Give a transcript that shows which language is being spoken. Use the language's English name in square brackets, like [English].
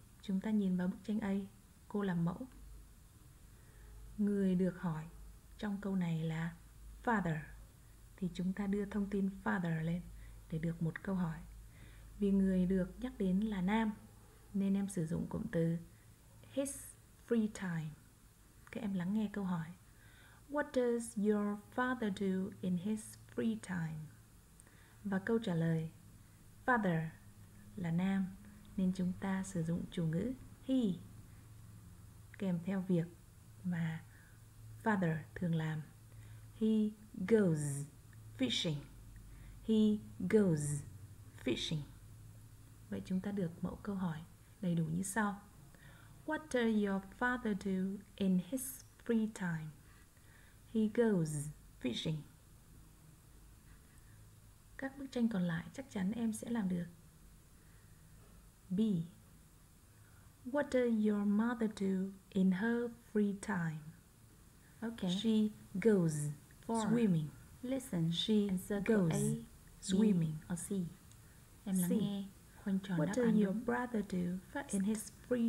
[Vietnamese] Chúng ta nhìn vào bức tranh A. Cô làm mẫu. Người được hỏi trong câu này là father, thì chúng ta đưa thông tin father lên để được một câu hỏi. Vì người được nhắc đến là nam nên em sử dụng cụm từ [English] his free time. [Vietnamese] Các em lắng nghe câu hỏi. [English] What does your father do in his free time? [Vietnamese] Và câu trả lời, father là nam nên chúng ta sử dụng chủ ngữ he kèm theo việc mà father thường làm. [English] He goes fishing. He goes fishing. [Vietnamese] Vậy chúng ta được mẫu câu hỏi đầy đủ như sau. [English] What does your father do in his free time? He goes fishing. [Vietnamese] Các bức tranh còn lại chắc chắn em sẽ làm được. [English] B. What does your mother do in her free time? Okay. She goes for swimming. Listen. She goes A, swimming. Or C. [Vietnamese] Em C. Lắng nghe. [English] What does your brother do first in his free